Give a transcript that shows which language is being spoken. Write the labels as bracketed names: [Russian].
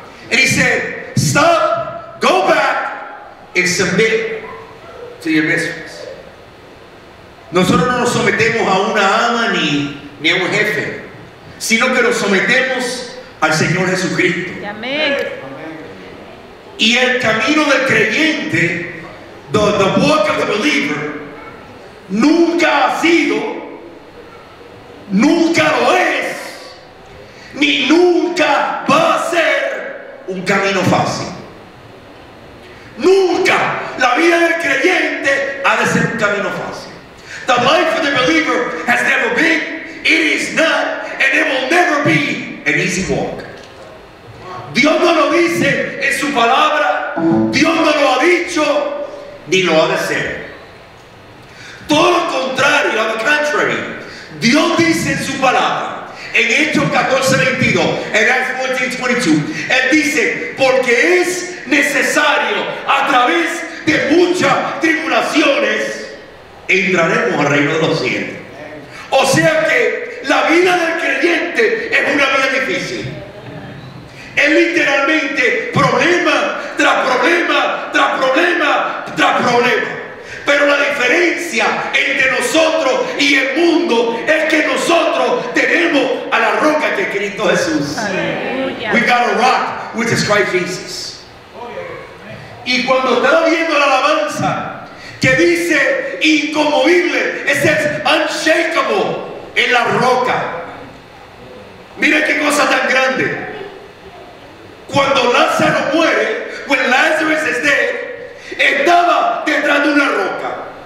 [English] And he said, stop, go back, and submit to your mistress. [Spanish] Nosotros no nos sometemos a una ama ni a un jefe, sino que nos sometemos al Señor Jesucristo. Amén. Y el camino del creyente, [English] the walk of the believer, [Spanish] nunca ha sido, nunca lo es, ni nunca va a ser un camino fácil. Nunca la vida del creyente ha de ser un camino fácil. [English] The life of the believer has never been, it is not, and it will never be an easy walk. [Spanish] Dios no lo dice en su palabra, Dios no lo ha dicho, ni lo ha de ser. Todo lo contrario, [English] on the contrary, [Spanish] Dios dice en su palabra, en Hechos 14:22, en Acts 14:22, Él dice, porque es necesario, a través de muchas tribulaciones, entraremos al reino de los cielos. O sea que la vida del creyente es una vida difícil. Es literalmente problema tras problema tras problema tras problema. Pero la diferencia entre nosotros y el mundo es que nosotros tenemos a la roca que es Cristo Jesús. [English] We got a rock, which is Christ Jesus. [Spanish] Y cuando estaba viendo la alabanza que dice inconmovible, es unshakable, en la roca. Mira qué cosa tan grande. Cuando Lázaro muere, [English] when Lazarus is dead, [Spanish] estaba detrás de una roca.